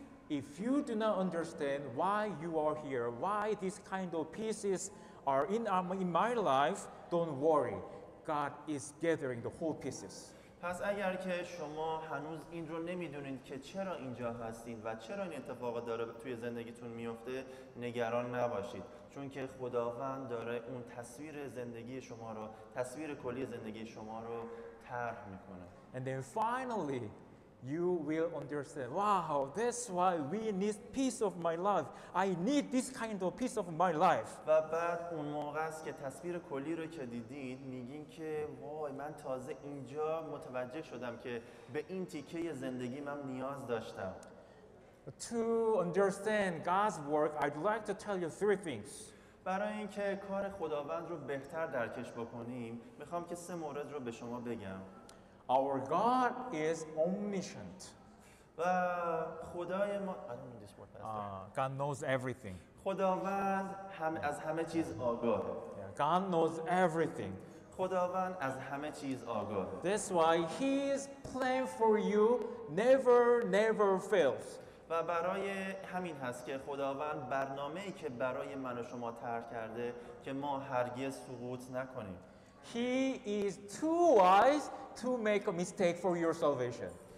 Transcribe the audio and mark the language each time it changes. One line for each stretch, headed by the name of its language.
English: If you do not understand why you are here, why this kind of pieces are in my life, don't worry. God is gathering the whole pieces.
Persian: پس اگر که شما هنوز این رو نمیدونید که چرا اینجا هستید و چرا این اتفاق داره توی زندگیتون میفته، نگران نباشید. چون که خداوند داره اون تصویر زندگی شما رو، تصویر کلی زندگی شما رو طرح میکنه.
English: And then finally, you will understand, wow, that's why we need peace of my life. I need this kind of peace of my life.
Persian: و بعد اون موقع است که تصویر کلی رو که دیدید میگین که وای، من تازه اینجا متوجه شدم که به این تیکه زندگی من نیاز داشتم.
English: To understand God's work, I'd like to tell you three things.
Persian: برای اینکه کار خداوند رو بهتر درکش بکنیم میخوام که سه مورد رو به شما بگم.
English: Our God is omniscient.
Persian: و خدای ما
English: God knows everything.
Persian: خداوند از همه چیز آگاهه.
English: God knows everything.
Persian: خداوند از همه چیز آگاهه.
English: That's why His plan for you never fails.
Persian: و برای همین هست که خداوند برنامه‌ای که برای من و شما طرح کرده که ما هرگز سقوط نکنیم.
English: He is too wise to make a mistake for your salvation.